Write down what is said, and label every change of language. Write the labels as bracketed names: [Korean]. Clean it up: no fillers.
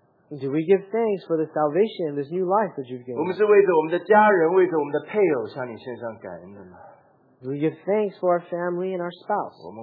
[English] Do we give thanks for the salvation, this new life that you've given? [Chinese] 我们是为着我们的家人，为着我们的配偶向你献上感恩的吗？ [English] Do we give thanks for our family and our spouse?